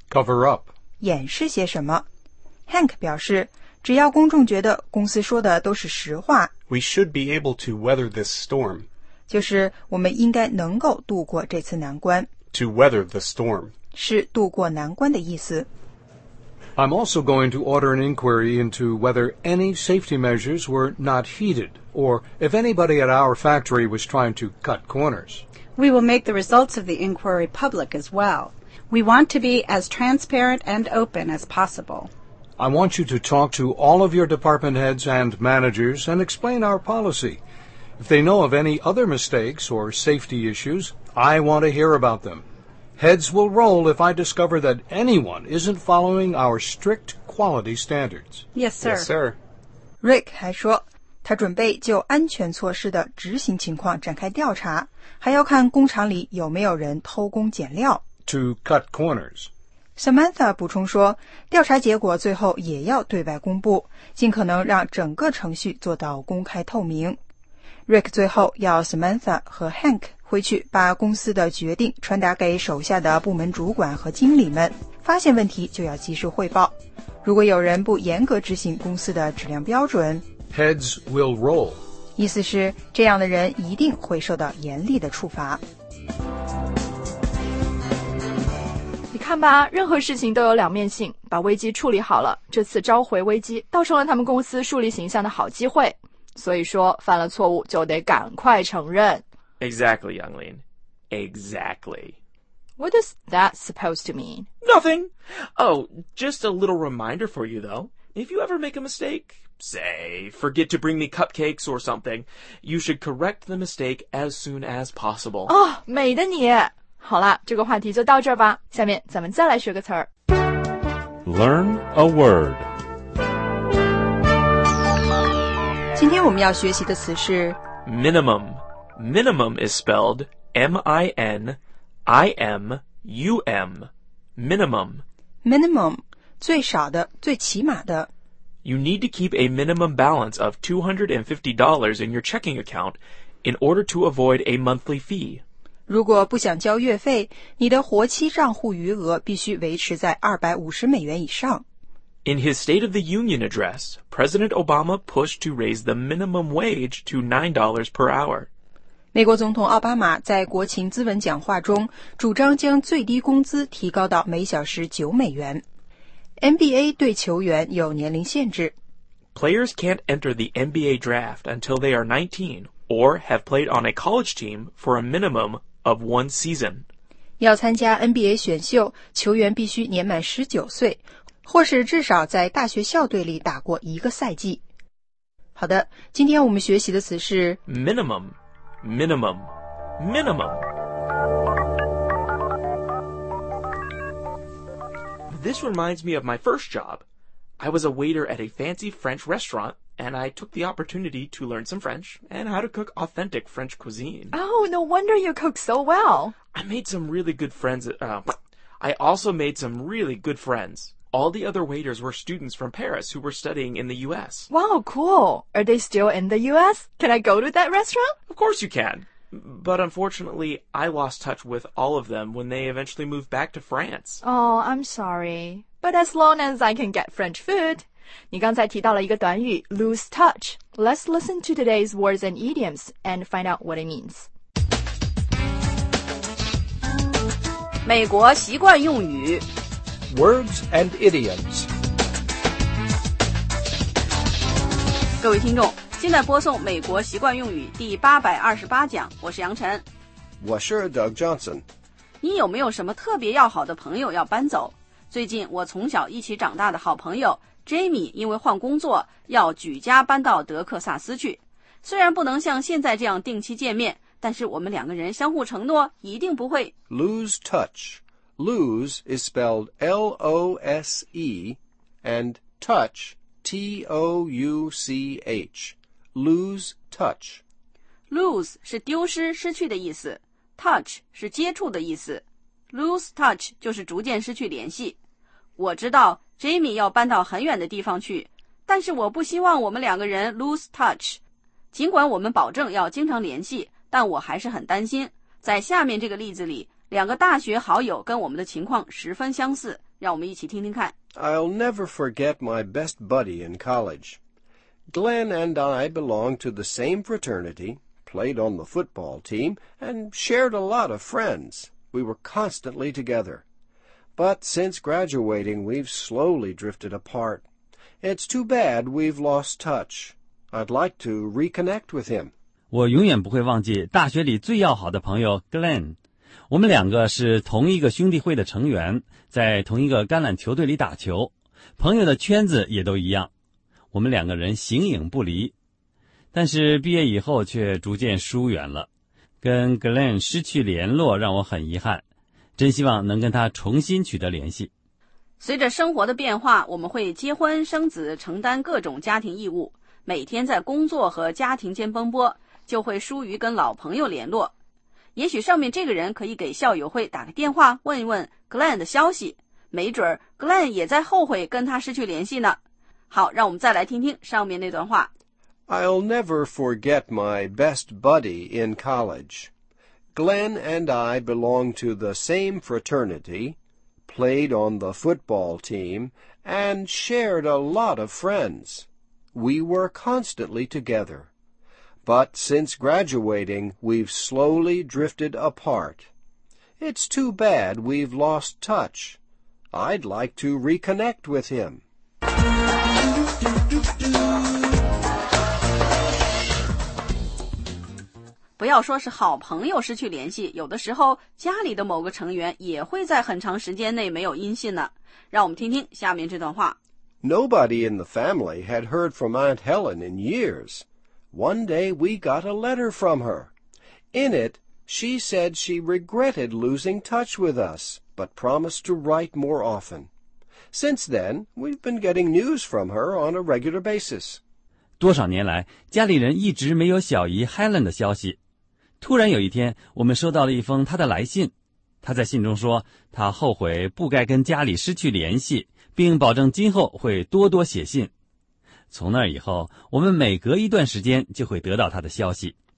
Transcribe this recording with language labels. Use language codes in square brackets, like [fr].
[en] cover up [zh] 掩饰些什么。 Hank 表示，只要公众觉得公司说的都是实话 [en] ，We should be able to weather this storm， [zh] 就是我们应该能够度过这次难关。 [en] To weather the storm [zh] 是度过难关的意思。 [en] I'm also going to order an inquiry into whether any safety measures were not heeded, or if anybody at our factory was trying to cut corners. We will make the results of the inquiry public as well. We want to be as transparent and open as possible. I want you to talk to all of your department heads and managers and explain our policy. If they know of any other mistakes or safety issues, I want to hear about them. Heads will roll if I discover that anyone isn't following our strict quality standards. Yes, sir. Yes, sir. [zh] Rick 还说，他准备就安全措施的执行情况展开调查，还要看工厂里有没有人偷工减料。 [en] To cut corners. [zh] Samantha 补充说，调查结果最后也要对外公布，尽可能让整个程序做到公开透明。 Rick 最后要 Samantha 和 Hank回去把公司的决定传达给手下的部门主管和经理们，发现问题就要及时汇报。如果有人不严格执行公司的质量标准 [en] ，Heads will roll， [zh] 意思是这样的人一定会受到严厉的处罚。你看吧，任何事情都有两面性，把危机处理好了，这次召回危机倒成了他们公司树立形象的好机会。所以说，犯了错误就得赶快承认。 [en] Exactly, Younglin. Exactly. What is that supposed to mean? Nothing! Oh, just a little reminder for you, though. If you ever make a mistake, say, forget to bring me cupcakes or something, you should correct the mistake as soon as possible. [zh] Oh, 美的你！好了，这个话题就到这儿吧。下面咱们再来学个词儿。 [en] Learn a word. [zh] 今天我们要学习的词是 [en] Minimum. Minimum is spelled M-I-N-I-M-U-M. Minimum. [zh] Minimum. 最少的，最起码的。 [en] You need to keep a minimum balance of $250 in your checking account in order to avoid a monthly fee. [zh] 如果不想交月费，你的活期账户余额必须维持在250美元以上。 [en] In his State of the Union address, President Obama pushed to raise the minimum wage to $9 per hour. [zh] 美国总统奥巴马在国情咨文讲话中主张将最低工资提高到每小时9美元。 NBA 对球员有年龄限制。 [en] Players can't enter the NBA draft until they are 19 or have played on a college team for a minimum of one season. [zh] 要参加 NBA 选秀，球员必须年满19岁，或是至少在大学校队里打过一个赛季。好的，今天我们学习的词是 [en] Minimum. Minimum, minimum. This reminds me of my first job. I was a waiter at a fancy French restaurant, and I took the opportunity to learn some French and how to cook authentic French cuisine. Oh, no wonder you cook so well. I made some really good friends. I also made some really good friends. All the other waiters were students from Paris who were studying in the U.S. Wow, cool. Are they still in the U.S.? Can I go to that restaurant? Of course you can. But unfortunately, I lost touch with all of them when they eventually moved back to France. Oh, I'm sorry. But as long as I can get French food. [zh] 你刚才提到了一个短语 [en] lose touch. Let's listen to today's words and idioms and find out what it means. [zh] 美国习惯用语 [en] Words and idioms. [zh] 各位听众，现在播送美国习惯用语第828讲，我是杨晨。我是 Doug Johnson。你有没有什么特别要好的朋友要搬走？最近我从小一起长大的好朋友 Jamie 因为换工作要举家搬到德克萨斯去。虽然不能像现在这样定期见面，但是我们两个人相互承诺，一定不会 [en] lose touch.Lose is spelled L-O-S-E, and touch, T-O-U-C-H, lose touch. [zh] Lose 是丢失、失去的意思 ,touch 是接触的意思。 [en] Lose touch [zh] 就是逐渐失去联系。我知道 Jamie 要搬到很远的地方去，但是我不希望我们两个人 [en] lose touch。 [zh] 尽管我们保证要经常联系，但我还是很担心。在下面这个例子里，两个大学好友跟我们的情况十分相似，让我们一起听听看。 [en] I'll never forget my best buddy in college. Glenn and I belonged to the same fraternity, played on the football team, and shared a lot of friends. We were constantly together. But since graduating, we've slowly drifted apart. It's too bad we've lost touch. I'd like to reconnect with him. [zh] 我永远不会忘记大学里最要好的朋友 Glenn。我们两个是同一个兄弟会的成员，在同一个橄榄球队里打球，朋友的圈子也都一样，我们两个人形影不离，但是毕业以后却逐渐疏远了，跟 Glenn 失去联络让我很遗憾，真希望能跟他重新取得联系。随着生活的变化，我们会结婚生子，承担各种家庭义务，每天在工作和家庭间奔波，就会疏于跟老朋友联络。也许上面这个人可以给校友会打个电话，问一问 Glenn 的消息，没准 Glenn 也在后悔跟他失去联系呢。好，让我们再来听听上面那段话。 [en] I'll never forget my best buddy in college. Glenn and I belong to the same fraternity, played on the football team, and shared a lot of friends. We were constantly together. But since graduating, we've slowly drifted apart. It's too bad we've lost touch. I'd like to reconnect with him. [zh] 不要说是好朋友失去联系，有的时候家里的某个成员也会在很长时间内没有音信呢。让我们听听下面这段话。 [en] Nobody in the family had heard from Aunt Helen in years. One day we got a letter from her. In it, she said she regretted losing touch with us, but promised to write more often. Since then, we've been getting news from her on a regular basis. [zh] 多少年来，家里人一直没有小姨 Helen 的消息。突然有一天，我们收到了一封她的来信。她在信中说，她后悔不该跟家里失去联系，并保证今后会多多写信。从那以后，我们每隔一段时间就会得到他的消息。